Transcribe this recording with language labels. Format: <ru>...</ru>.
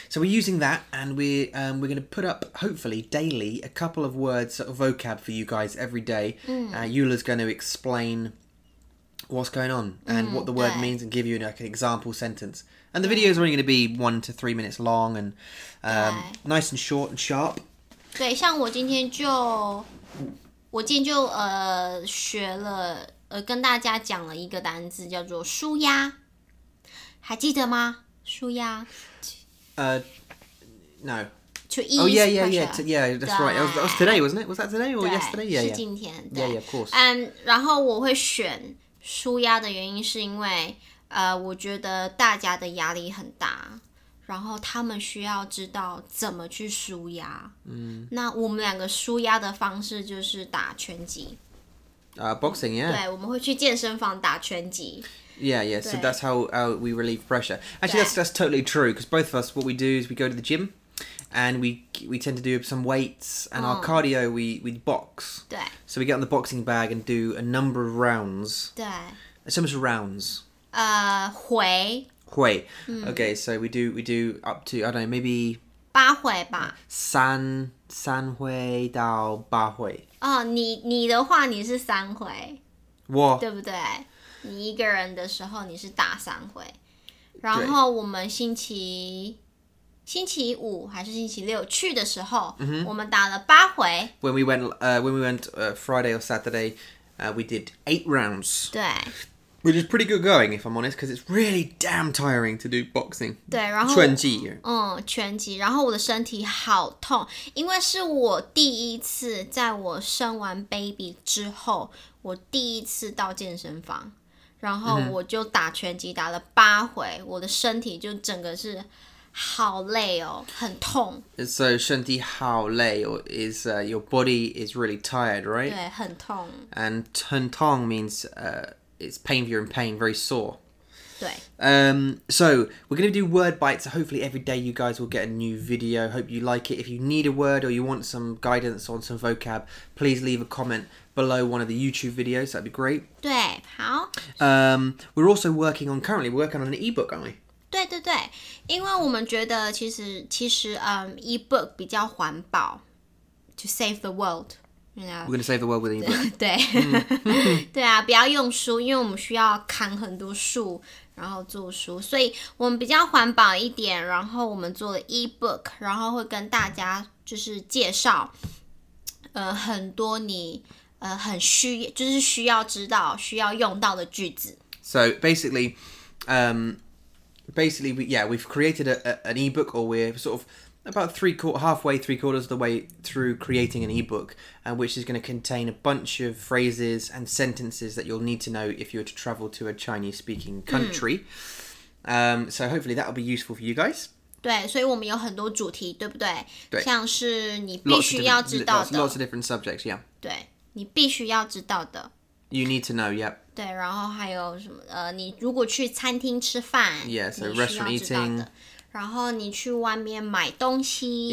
<en>So we're using that and we're going to put up, hopefully, daily, a couple of words of vocab for you guys every day. Yula's going to explain what's going on and what the word means and give you like, an example sentence. And the video is only going to be 1 to 3 minutes long and nice and short and sharp.</en> <zh>对，像我今天就，我今天就学了跟大家讲了一个单字叫做舒压，还记得吗？舒压。</zh> <en>No. To ease. Oh, yeah, that's right. That was today, wasn't it? Was that today or yesterday? Yeah,</en> <zh>是今天,</zh> <en>yeah. Yeah, yeah, of course.</en> <zh>然后我会选舒压的原因是因为我觉得大家的压力很大，然后他们需要知道怎么去舒压。嗯，那我们两个舒压的方式就是打拳击。</zh> <en>Boxing, yeah.</en> <zh>对，我们会去健身房打拳击。</zh> <en>Yeah, yeah. So that's how we relieve pressure. Actually, that's totally true. Because both of us, what we do is we go to the gym, and we tend to do some weights and our cardio. We box.</en> <zh>对。</zh> <en>So we get on the boxing bag and do a number of rounds.</en> <zh>对。</zh> <en>So much rounds.</en> <zh>回。回。</zh> <en>Okay, so we do up to I don't know maybe.</en> <zh>八回吧。三回到八回。哦，你的话你是三回。我。对不对？你一个人的时候你是打三回，然后我们星期五还是星期六去的时候、 mm-hmm. 我们打了八回。</zh> <en>When we went Friday or Saturday, we did 8 rounds.</en> <zh>对，</zh> <en>which is pretty good going if I'm honest, because it's really damn tiring to do boxing.</en> <zh>对，然后拳击，拳击，然后我的身体好痛，因为是我第一次在我生完 baby 之后我第一次到健身房，然后我就打拳击打了八回，我的身体就整个是好累哦，很痛。</zh> <en>So</en> <zh>身体好累</zh> <en>is your body is really tired, right?</en> <zh>对，很痛。</zh> <en>And</en> <zh>很痛</zh> <en>means it's pain, you're in pain, very sore.</en> <zh>对。</zh> <en>So we're going to do word bites. Hopefully every day you guys will get a new video. Hope you like it. If you need a word or you want some guidance on some vocab, please leave a comment below one of the YouTube videos. That'd be great.</en> <zh>对，好。</zh> <en>We're also working on, currently working on an ebook, aren't we?</en> <zh>对对对，因为我们觉得其实ebook 比较环保，</zh> <en>to save the world. You know, we're going to save the world with an ebook.</en> <zh>对，对啊，不要用书，因为我们需要砍很多树，然后做书，所以我们比较环保一点，然后我们做了 ebook, 然后会跟大家就是介绍很多你很需要，就是需要知道需要用到的句子。</zh> <en>So basically we've created an ebook, or we're sort of about three quarters of the way through creating an ebook, which is going to contain a bunch of phrases and sentences that you'll need to know if you were to travel to a Chinese speaking country. So hopefully that'll be useful for you guys.</en> <zh>对，所以我们有很多主题，对不对？对，像是你必须要知道的</zh> <en>lots of different subjects, yeah.</en> <zh>对，你必须要知道的。</zh> <en>You need to know, yep.</en> <zh>对，然后还有什么？你如果去餐厅吃饭</zh> <en>，Yeah, so restaurant eating.</en> <zh>然后你去外面买东西</zh>